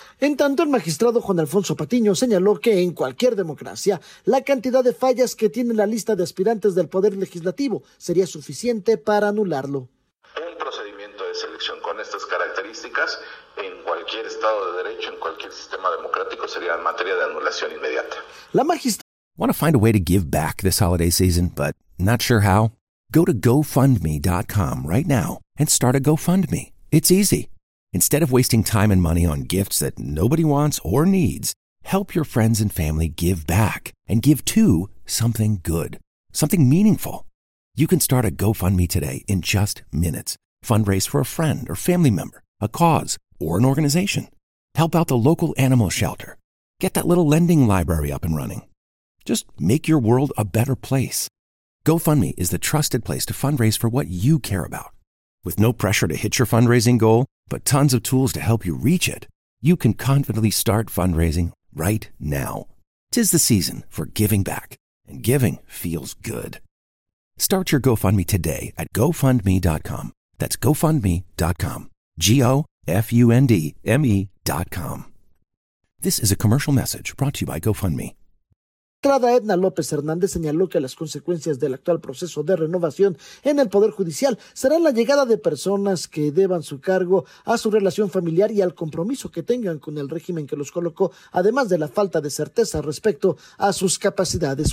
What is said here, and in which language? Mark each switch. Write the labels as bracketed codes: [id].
[es] En tanto, el magistrado Juan Alfonso Patiño señaló que en cualquier democracia, la cantidad de fallas que tiene la lista de aspirantes del Poder Legislativo sería suficiente para anularlo. Selección con estas características en cualquier estado de derecho, en cualquier sistema democrático, sería en materia de anulación inmediata. La magistrada. [en] Want to find a way to give back this holiday season, but not sure how? Go to GoFundMe.com right now and start a GoFundMe. It's easy. Instead of wasting time and money on gifts that nobody wants or needs, help your friends and family give back and give to something good, something meaningful. You can start a GoFundMe today in just minutes. Fundraise for a friend or family member, a cause, or an organization. Help out the local animal shelter. Get that little lending library up and running. Just make your world a better place. GoFundMe is the trusted place to fundraise for what you care about. With no pressure to hit your fundraising goal, but tons of tools to help you reach it, you can confidently start fundraising right now. Tis the season for giving back, and giving feels good. Start your GoFundMe today at GoFundMe.com. That's GoFundMe.com. GoFundMe.com. This is a commercial message brought to you by GoFundMe. [es] Edna López Hernández señaló que las consecuencias del actual proceso de renovación en el Poder Judicial serán la llegada de personas que deban su cargo a su relación familiar y al compromiso que tengan con el régimen que los colocó, además de la falta de certeza respecto a sus capacidades.